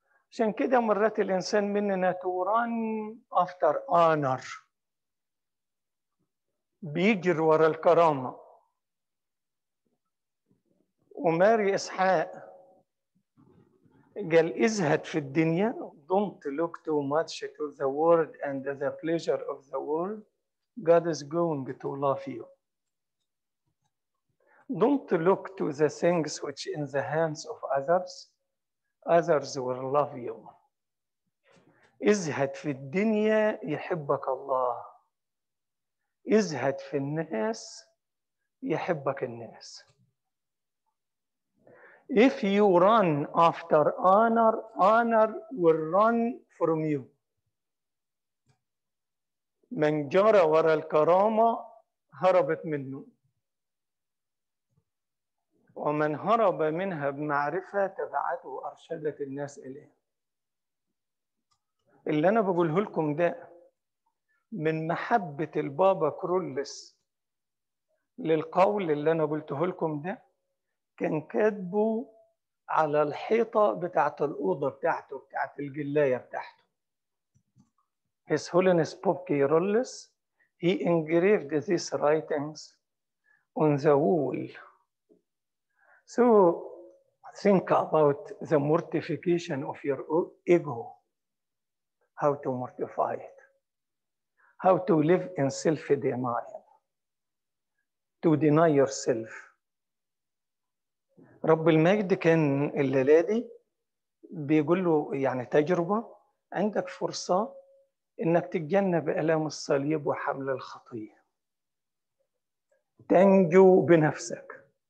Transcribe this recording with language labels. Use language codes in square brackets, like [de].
[ar] عشان كده مرات الإنسان مننا [en] to run after honor. [ar] بيجر ورا الكرامة. وماري إسحاق قال ازهد في الدنيا. [en] Don't look too much to the world and the pleasure of the world. God is going to love you. Don't look to the things which in the hands of others. Others will love you. [ar] ازهد في الدنيا يحبك الله. ازهد في الناس يحبك الناس. [en] If you run after honor, honor will run from you. [ar] من جرى وراء الكرامة هربت منه. ومن هرب منها بمعرفة تبعته وأرشدت الناس إليه. اللي أنا بقوله لكم ده من محبة البابا كرولس للقول اللي أنا قلته لكم ده، كان كاتبه على الحيطة بتاعت الأوضة بتاعته، بتاعت الجلاية بتاعته. [en] His Holiness Pope Kyrillus, he engraved these writings on the wall. So think about the mortification of your ego. How to mortify it. How to live in self-denial. To deny yourself. [ar] رب المجد كان الليلة دي بيقول له يعني تجربة، عندك فرصة إنك تتجنب ألام الصليب وحمل الخطية، تنجو بنفسك.